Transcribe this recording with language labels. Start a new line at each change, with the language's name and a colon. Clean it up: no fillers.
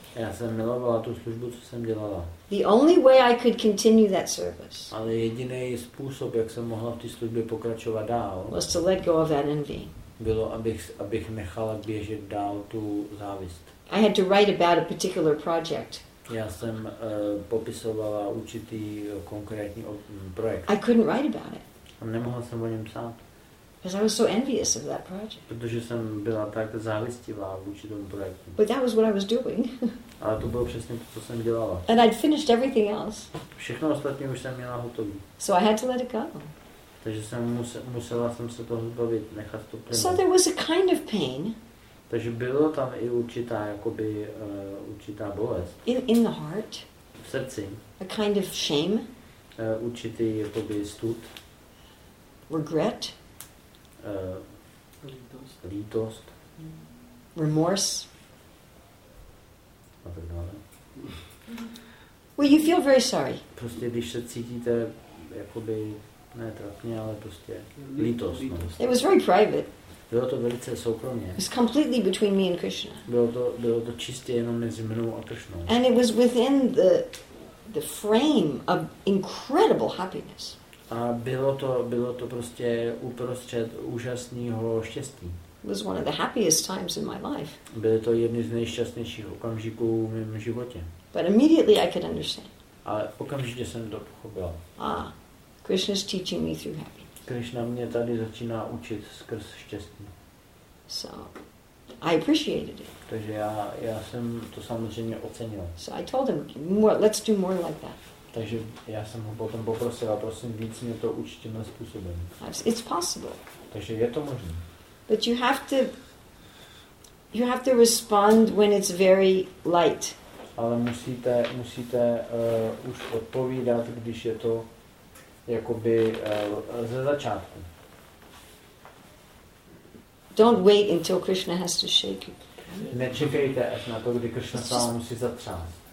Czech: Já jsem milovala tu službu, co jsem dělala.
English: The only way I could continue that service.
Czech: Ale jediný způsob, jak jsem mohla v té službě pokračovat dál.
English: Was to let go of that envy.
Czech: Bylo, abych nechala běžet dál tu závist.
English: I had to write about a particular project.
Czech: Já jsem popisovala určitý konkrétní projekt.
English: I couldn't write about it.
Czech: A nemohla jsem o něm psát.
English: Because I was so envious of that project.
Czech: Protože jsem byla tak závistivá vůči tomu projektu.
English: But that was what I was doing.
Czech: Ale to bylo přesně to, co jsem dělala.
English: And I'd finished everything else.
Czech: Všechno ostatní už jsem měla hotový.
English: So I had to let it go.
Czech: Takže jsem musela jsem se toho zbavit, nechat to plynout.
English: So there was a kind of pain.
Czech: Takže bylo tam i určitá jakoby určitá bolest.
English: In the heart.
Czech: V srdci.
English: A kind of shame.
Czech: Určitý jakoby stud.
English: Regret.
Czech: Lítost.
English: Remorse.
Czech: A tak dále.
English: Well, you feel very sorry.
Czech: Prostě když se cítíte jakoby ne trapně, ale prostě lítost.
English: It was very private.
Czech: Bylo to velice soukromě.
English: It was completely between me and Krishna.
Czech: Bylo to čistě jenom mezi mnou a Krishnou.
English: And it was within the frame of incredible happiness.
Czech: A bylo to prostě uprostřed úžasného štěstí.
English: It was one of the happiest times in my life.
Czech: Bylo to jedny z nejšťastnějších okamžiků v mém životě.
English: But immediately I could understand.
Czech: Ale okamžitě jsem to pochopila.
English: Ah, Krishna's teaching me through happiness.
Czech: Krishna mě tady začíná učit skrz štěstí.
English: So, I appreciated it.
Czech: Takže já jsem to samozřejmě ocenil.
English: So I told him, more, let's do more like that.
Czech: Takže já jsem ho potom poprosil, a prosím, víc mě to učit tímhle způsobem.
English: It's possible.
Czech: Takže je to možné.
English: But you have to respond when it's very light.
Czech: Ale musíte už odpovídat, když je to jakoby ze začátku.
English: Don't wait until Krishna has to shake you.
Czech: Nečekejte až na to, kdy Krishna sám musí zatřást.